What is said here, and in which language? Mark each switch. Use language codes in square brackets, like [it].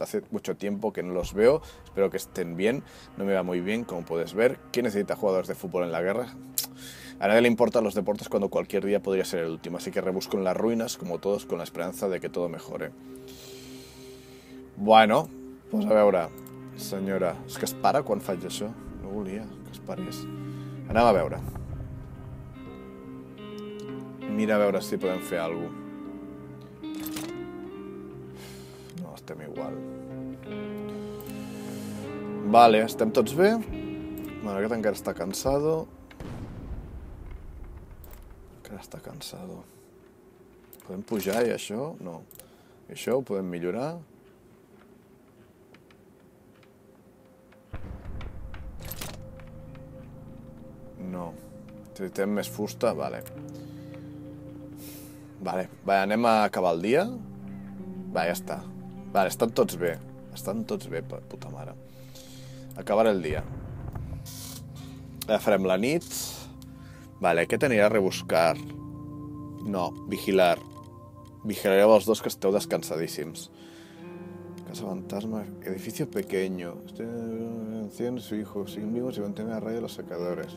[es] Hace mucho tiempo que no los veo. Espero que estén bien. No me va muy bien, como puedes ver. ¿Quién necesita jugadores de fútbol en la guerra? A nadie le importan los deportes cuando cualquier día podría ser el último. Así que rebusco en las ruinas, como todos, con la esperanza de que todo mejore. [ca] Bueno, pues a veure, senyora. És que es para quan faig això. No volia que es parés. Anem a veure. Mira a veure si podem fer alguna cosa. Estem igual. Vale, estem tots bé? Bueno, aquest encara està cansado. Encara està cansado. Podem pujar i això? No. Això ho podem millorar. No. Necessitem més fusta? Vale. Vale, anem a acabar el dia? Va, ja està. Vale, estan tots bé. Estan tots bé, puta mare. Acabar el dia. Ja farem la nit. Vale, aquest anirà a rebuscar. No, vigilar. Vigilareu els dos que esteu descansadíssims. [es] Casa fantasma, edificio pequeño. Encien su hijo, siguen vivos y van tener a rayo los sacadores.